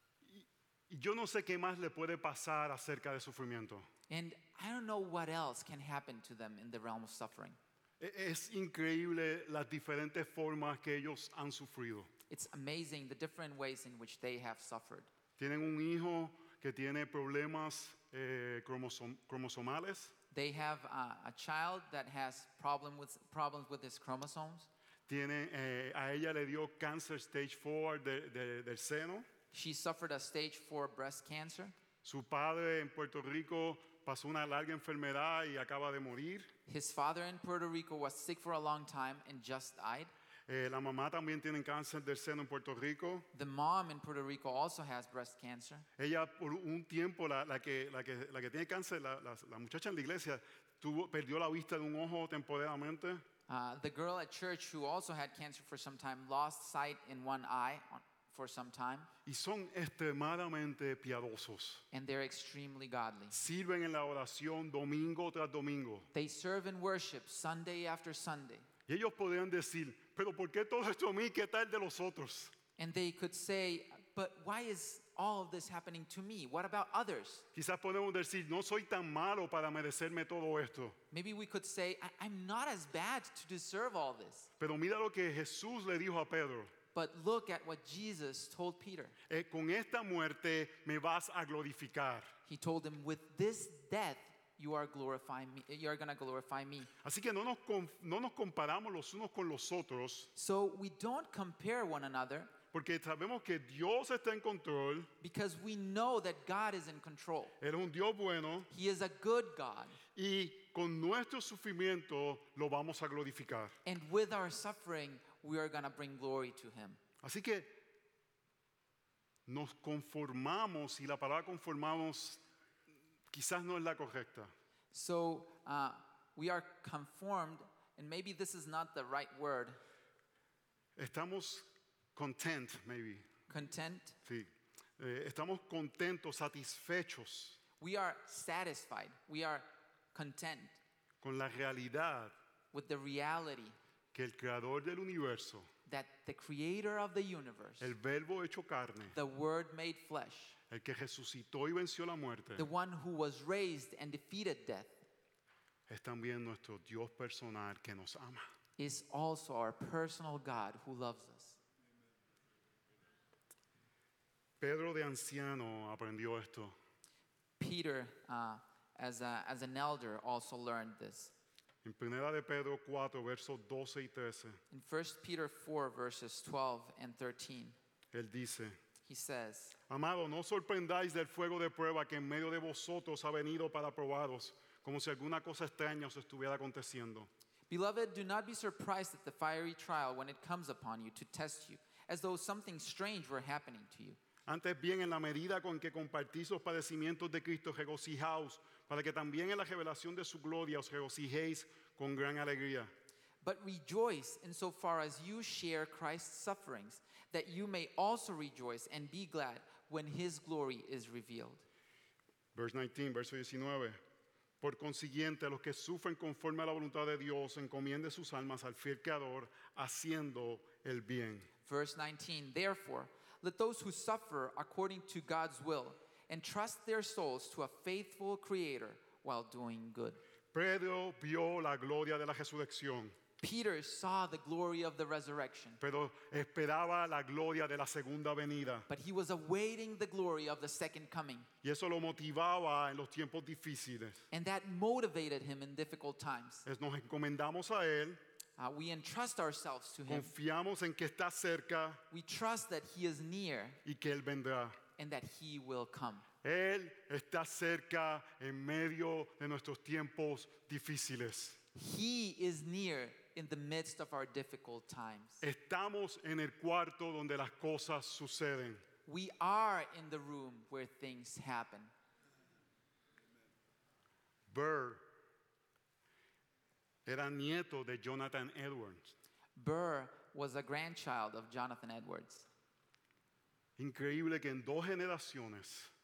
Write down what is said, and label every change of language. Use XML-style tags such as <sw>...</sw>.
<es>Y yo no sé qué más le puede pasar acerca de sufrimiento.</es> <en>And I don't know what else can happen to them in the realm of suffering.</en> <es>Es increíble las diferentes formas que ellos han sufrido.</es> <en>It's amazing the different ways in which they have suffered.</en> <es>Tienen un hijo que tiene problemas cromosomales.</es> <en>They have a child that has problems with his chromosomes.</en> <es>Tiene a ella le dio cáncer</es> <en>stage 4</en> <es>del seno.</es> <en>She suffered a stage 4 breast cancer.</en> <es>Su padre en Puerto Rico pasó una larga enfermedad y acaba de morir.</es> <en>His father in Puerto Rico was sick for a long time and just died.</en> <es>La mamá también tiene cáncer del seno en Puerto Rico.</es> <en>The mom in Puerto Rico also has breast cancer.</en> <es>Ella por un tiempo la que tiene cáncer, la muchacha en la iglesia perdió la vista de un ojo temporalmente.</es> <en>The girl at church who also had cancer for some time lost sight in one eye for some time.</en> <es>Y son extremadamente piadosos.</es> <en>And they're extremely godly.</en> <es>Sirven en la oración domingo tras domingo.</es> <en>They serve in worship Sunday after Sunday.</en> <es>Y ellos podrían decir, pero ¿por qué todo esto a mí? ¿Qué tal de los otros?</es> <en>And they could say, but why is all of this happening to me? What about others?</en> <es>Quizás podemos decir, no soy tan malo para merecerme todo esto.</es> <en>Maybe we could say, I'm not as bad to deserve all this.</en> <es>Pero mira lo que Jesús le dijo a Pedro.</es> <en>But look at what Jesus told Peter.</en> <es>Con esta muerte me vas a glorificar.</es> <en>He told him, with this death, you are glorifying me. You are going to glorify me.</en> <es>Así que no nos comparamos los unos con los otros.</es> <en>So we don't compare one another.</en> <es>Porque sabemos que Dios está en control.</es> <en>Because we know that God is in control.</en> <es>Él es un Dios bueno.</es> <en>He is a good God.</en> <es>Y con nuestro sufrimiento lo vamos a glorificar.</es> <en>And with our suffering, we are going to bring glory to him.</en> <es>Así que nos conformamos, y la palabra conformamos quizás no es la correcta.</es> <en>So we are conformed, and maybe this is not the right word.</en> <es>Estamos</es> <en>content, maybe. Content?</en> <es>Sí. Estamos contentos, satisfechos.</es> <en>We are satisfied. We are content.</en> <es>Con la realidad.</es> <en>With the reality.</en> <es>Que el creador del universo.</es> <en>That the creator of the universe.</en> <es>El verbo hecho carne.</es> <en>The word made flesh.</en> <es>El que resucitó y venció la muerte.</es> <en>The one who was raised and defeated death.</en> <es>Es también nuestro Dios personal que nos ama.</es> <en>Is also our personal God who loves us.</en> <es>Pedro de anciano aprendió esto.</es> <en>Peter, as an elder, also learned this.</en> <es>En Primera de Pedro 4, versos 12 y 13.</es> <en>In 1 Peter 4, verses 12 and 13.</en> <es>Él dice.</es> <en>He says,</en> <es>amado, no sorprendáis del fuego de prueba que en medio de vosotros ha venido para probaros, como si alguna cosa extraña os estuviera aconteciendo.</es> <en>Beloved, do not be surprised at the fiery trial when it comes upon you to test you, as though something strange were happening to you.</en> <es>Antes bien, en la medida con que compartís los padecimientos de Cristo, regocijaos, para que también en la revelación de su gloria os regocijéis con gran alegría.</es> <en>But rejoice in so far as you share Christ's sufferings, that you may also rejoice and be glad when his glory is revealed. Verse 19,</en> <es>verso 19. Por consiguiente, los que sufren conforme a la voluntad de Dios, encomienden sus almas al fiel Creador, haciendo el bien.</es> <en>Verse 19. Therefore, let those who suffer according to God's will entrust their souls to a faithful Creator while doing good.</en> <es>Pedro vio la gloria de la resurrección.</es> <en>Peter saw the glory of the resurrection.</en> <es>Pero esperaba la gloria de la segunda venida.</es> <en>But he was awaiting the glory of the second coming.</en> <es>Y eso lo motivaba en los tiempos difíciles.</es> <en>And that motivated him in difficult times.</en> <es>Es nos encomendamos a él.</es> <en>We entrust ourselves to</en> <es>confiamos</es> <en>him.</en> <es>Confiamos en que está cerca.</es> <en>We trust that he is near.</en> <es>Y que él vendrá.</es> <en>And that he will come.</en> <es>Él está cerca en medio de nuestros tiempos difíciles.</es> <en>He is near in the midst of our difficult times.</en> <es>Estamos en el cuarto donde las cosas suceden.</es> <en>We are in the room where things happen.</en> <es>Burr era nieto de Jonathan Edwards.</es> <en>Burr was a grandchild of Jonathan Edwards.</en> <es>Increíble que en dos generaciones.</es>